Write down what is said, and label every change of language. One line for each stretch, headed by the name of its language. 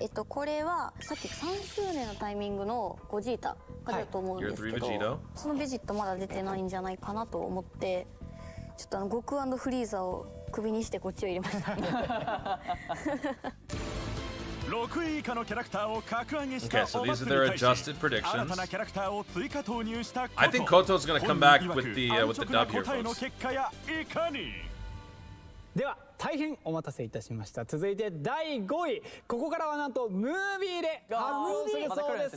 Japanese: で、これはさっき3周年のタイミングのゴジータが出ると思うんですけど、はい、そのベジットまだ出てないんじゃないかなと思って、ちょっとあの悟空&フリーザを首にしてこっちを入れました。 6位以下のキャラクターを格上げした。
English: Okay, so these are their adjusted predictions.
Japanese: 新たなキャラクターを追加投入したこと。
English: I think Koto's gonna come back with the W here, folks.
Japanese: 答えの結果やいかに。では大変お待たせいたしました。続いて第5位、ここからはなんとムービーで発表するそうです。